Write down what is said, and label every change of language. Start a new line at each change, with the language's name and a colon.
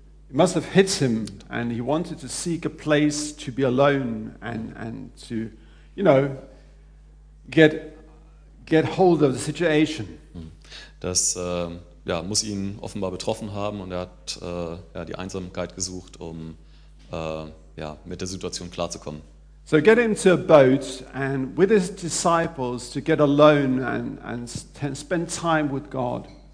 English: It must have hit him, and he wanted to seek a place to be alone and to, you know, get hold of the situation.
German: Das muss ihn offenbar betroffen haben, und er hat die Einsamkeit gesucht, um mit der Situation klarzukommen.
English: So get into a boat and with his disciples to get alone and spend time with God.